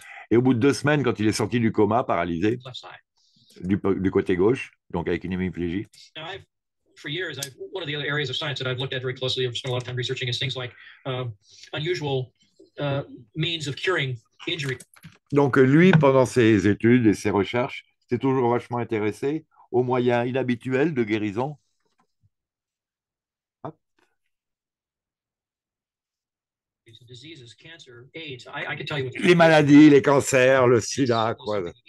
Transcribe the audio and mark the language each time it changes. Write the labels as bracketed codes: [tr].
[fr] Et au bout de 2 semaines, quand il est sorti du coma, paralysé, du côté gauche, donc avec une hémiplégie. [en] For years, one of the other areas of science that I've looked at very closely, I've spent a lot of time researching, is things like unusual means of curing injury. [fr] Donc lui, pendant ses études et ses recherches, s'est toujours vachement intéressé aux moyens inhabituels de guérison. Hop. [en] diseases, cancer, AIDS. I could tell you [fr] les maladies, les cancers, le sida, quoi.